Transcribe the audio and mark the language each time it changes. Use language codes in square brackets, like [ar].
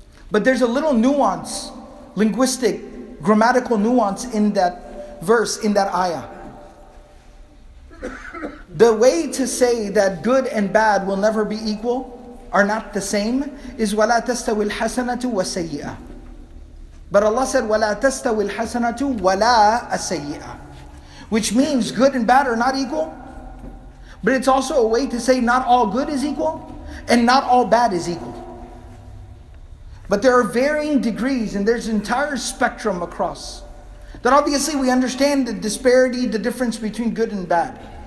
[en] But there's a little nuance, linguistic, grammatical nuance in that verse, in that ayah. The way to say that good and bad will never be equal, are not the same, is [ar] وَلَا تَسْتَوِي الْحَسَنَةُ وَسَيِّئَةُ. [en] But Allah said, [ar] وَلَا تَسْتَوِي الْحَسَنَةُ وَلَا أَسَيِّئَةُ. [en] Which means good and bad are not equal, but it's also a way to say not all good is equal and not all bad is equal. But there are varying degrees and there's an entire spectrum across. That obviously we understand the disparity, the difference between good and bad.